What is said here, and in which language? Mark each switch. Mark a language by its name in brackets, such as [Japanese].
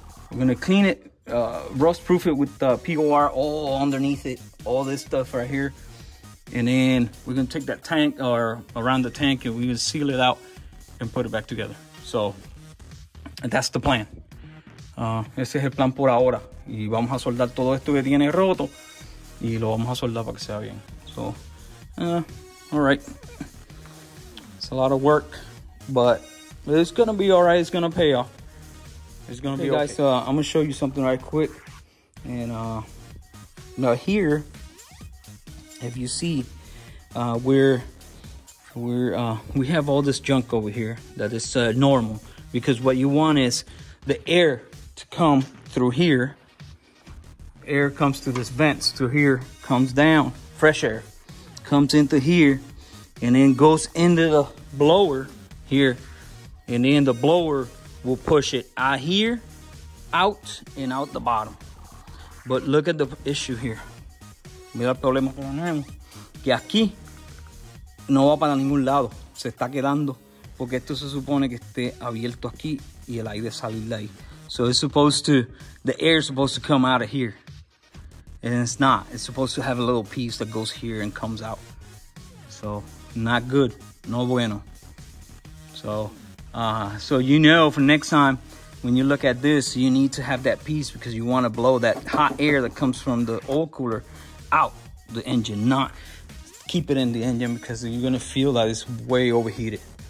[English] We're gonna clean it, rust proof it with POR all underneath it, all this stuff right here. And then we're gonna take that tank or around the tank, and we're gonna seal it out and put it back together. So that's the plan. [Spanish] Ese es el plan por ahora. Y vamos a soldar todo esto que tiene roto y lo vamos a soldar para que sea bien. [English] So, all right. It's a lot of work. But it's gonna be all right. It's gonna pay off. It's gonna be okay. Guys, I'm gonna show you something right quick. And now here, if you see, we have all this junk over here that is normal, because what you want is the air to come through here. Air comes through this vent, through here, comes down, fresh air, comes into here, and then goes into the blower here, and then the blower will push it out here, out and out the bottom. But look at the issue here. [Spanish] Mira el problema que tenemos, que aquí no va para ningún lado, se está quedando, porque esto se supone que esté abierto aquí y el aire salir de ahí. [English] So it's supposed to, the air is supposed to come out of here, and it's not. It's supposed to have a little piece that goes here and comes out. So not good, no bueno. So So you know, for next time, when you look at this, you need to have that piece, because you want to blow that hot air that comes from the oil cooler out the engine, not keep it in the engine, because you're going to feel that it's way overheated.